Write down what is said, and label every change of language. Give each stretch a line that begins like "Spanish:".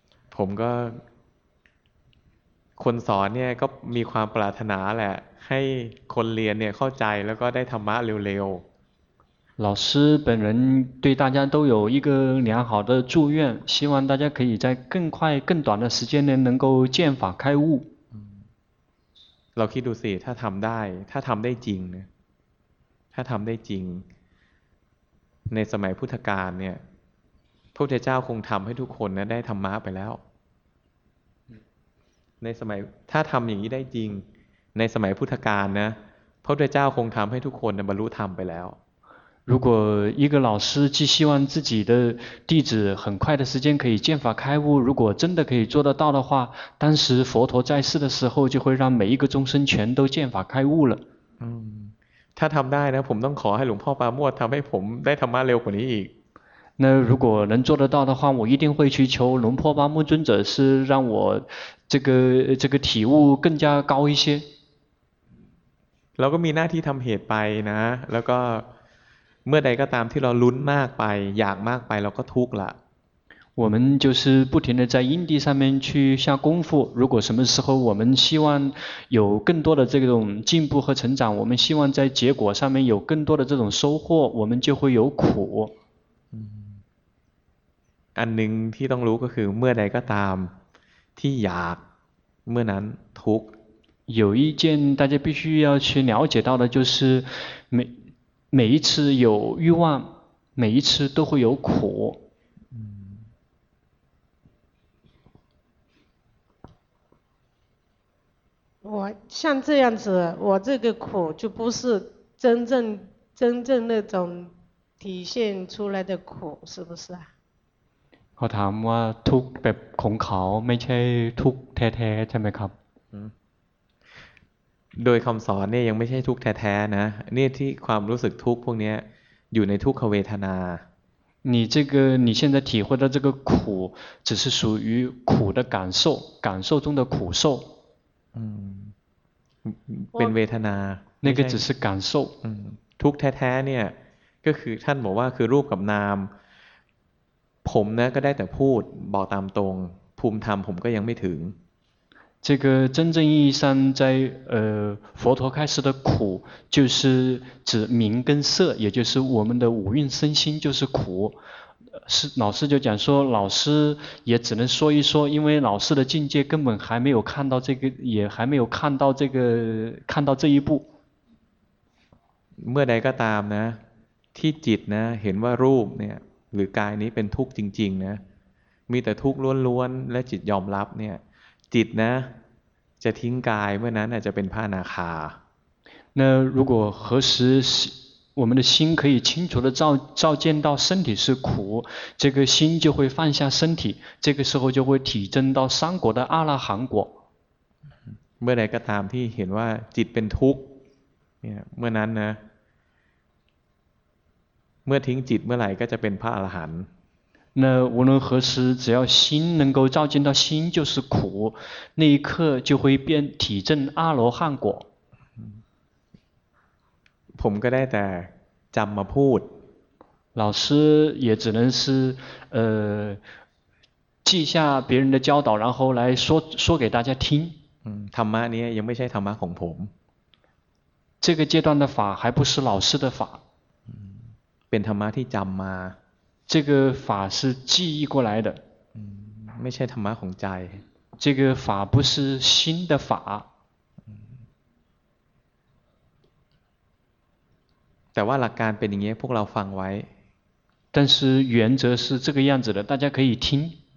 Thai: ผมก็คนสอนเนี่ยก็มีความปรารถนาแหละให้คนเรียนเนี่ยเข้าใจแล้วก็ได้ธรรมะเร็ว
Chinese: ๆ老师本人对大家都有一个良好的祝愿希望大家可以在更快更短的时间内能够见法开悟
Thai: เราคิดดูสิถ้าทำได้ถ้าทำได้จริงนะถ้าทำได้จริงในสมัยพุทธกาลเนี่ยพระพุทธเจ้าคงทำให้ทุกคนนะได้ธรรมะไปแล้วในสมัยถ้าทำอย่างนี้ได้จริงในสมัยพุทธกาลนะพระพุทธเจ้าคงทำให้ทุกคนนะบรรลุธรรมไปแล้ว
Chinese: 如果一个老师既希望自己的弟子很快的时间可以见法开悟，如果真的可以做得到的话，当时佛陀在世的时候就会让每一个众生全都见法开悟了。
Thai: 嗯，他ทำได้นะ，ผมต้องขอให้หลวงพ่อปาโมทย์ทำให้ผมได้ธรรมะเร็วกว่านี้อีก。
Chinese: 那如果能做得到的话，我一定会去求龙婆巴木尊者，是让我这个体悟更加高一些。
Thai: เราก็มีหน้าที่ทำเหตุไปนะ，แล้วก็เมื่อใดก็ตามที่เราลุ้นมากไปอยากมากไปเราก็ทุกข์ละ
Chinese: 我们就是不停的在因地上面去下功夫如果什么时候我们希望有更多的这种进步和成长我们希望在结果上面有更多的这种收获我们就会有苦
Thai: อันหนึ่งที่ต้องรู้ก็คือเมื่อใดก็ตามที่อยากเมื่อนั้นทุกข์
Chinese: 有一件大家必须要去了解到的就是每一次有欲望每一次都会有苦我像这样子我这个苦就不是真正那种体现出来的苦是不是啊
Thai: เขาถามว่าทุกข์แบบของเขาไม่ใช่ทุกข์แท้ๆใช่ไหมครับ โดยคำสอนเนี่ยยังไม่ใช่ทุกข์แท้ๆนะนี่ที่ความรู้สึกทุกข์พวกนี้อยู่ในทุกขเวทนา
Chinese: 你这个你现在体会到这个苦只是属于苦的感受感受中的苦受
Thai: เป็นเวทนา
Chinese: 那个只是感受
Thai: ทุกข์แท้ๆเนี่ยก็คือท่านบอกว่าคือรูปกับนามผมนะก็ได้แต่พูดบอกตามตรงภูมิธรรมผมก็ยังไม่ถึง
Chinese: 这个真正意义上在佛陀开示的苦就是指名跟色也就是我们的五蕴身心就是苦是老师就讲说老师也只能说一说因为老师的境界根本还没有看到这个也还没有看到这个看到这一步
Thai: เมื่อใดก็ตามนะที่จิตนะเห็นว่ารูปเนี่ยหรือกายนี้เป็นทุกข์จริงๆนะมีแต่ทุกข์ล้วนๆและจิตยอมรับเนี่ยจิตนะจะทิ้งกายเมื่อนั้นจะเป็นพระอนาคา
Chinese: 那如果何时我们的心可以清楚的照见到身体是苦这个心就会放下身体这个时候就会体证到三果的阿拉含果
Thai: เมื่อใดก็ตามที่เห็นว่าจิตเป็นทุกข์เมื่อนั้นนะเมื่อทิ้งจิตเมื่อไหร่ก็จะเป็นพระอรหันต์
Chinese: 那无论何时只要心能够照见到心就是苦那一刻就会变体证阿罗汉果
Thai: ผมก็ได้แต่จำมาพูด
Chinese: 老师也只能是记下别人的教导然后来说给大家听
Thai: ธรรมะนี้ยังไม่ใช่ธรรมะของผม
Chinese: 这个阶段的法还不是老师的法
Thai: เป็นธรรมะที่จำมา
Chinese: 这个法是记忆过来的
Thai: ไม่ใช่ธรรมะของใจ
Chinese: 这个法不是新的法
Thai: แต่ว่าหลักการเป็นอย่างนี้พวกเราฟังไว้
Chinese: 但是原则是这个样子的大家可以听